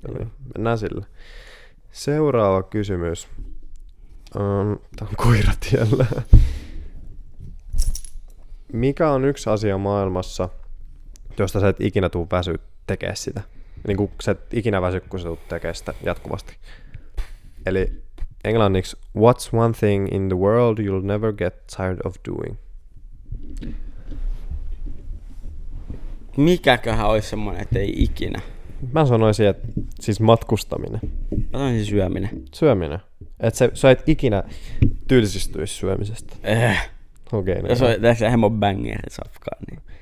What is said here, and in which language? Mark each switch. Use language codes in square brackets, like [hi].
[fi] Mm. Mennään sille. Seuraava kysymys. Tää on koiratiellä. Mikä on yksi asia maailmassa, josta sä et ikinä tuu väsyt tekee sitä? Niin kuin sä et ikinä väsy, kun sä tuut tekee sitä jatkuvasti. Eli englanniksi, [en] what's one thing in the world you'll never get tired of doing? [fi] Mikäköhän olisi semmoinen, että ei ikinä? Mä sanoisin, että siis matkustaminen. Mä sanoisin syöminen. Syöminen. Että sä et ikinä tylsistyisi syömisestä. Okei. Okay, jos niin. Tässä hemmo bangeri safkaa, niin...